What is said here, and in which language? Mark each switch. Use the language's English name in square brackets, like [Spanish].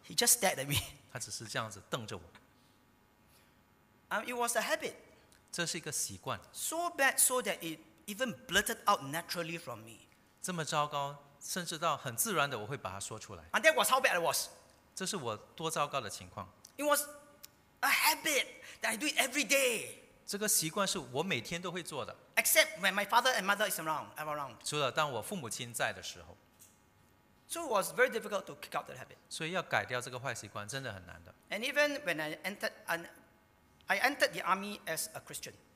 [English] He just stared at me. [Chinese] 他只是这样子瞪着我。 [English] It was a habit. [Chinese] 这是一个习惯。 [English] So bad so that it even blurted out naturally from me. [Chinese] 这么糟糕，甚至到很自然的我会把它说出来。 [English] And that was how bad it was. [Chinese] 这是我多糟糕的情况。 [English] It was a habit that I do it every day. [Chinese] 这个习惯是我每天都会做的。 [English] Except when my father and mother is around. [Chinese] 除了当我父母亲在的时候。 [English] So it was very difficult to kick out that habit. [Chinese] 所以要改掉这个坏习惯真的很难的。 [English] And even when I entered the army as a Christian.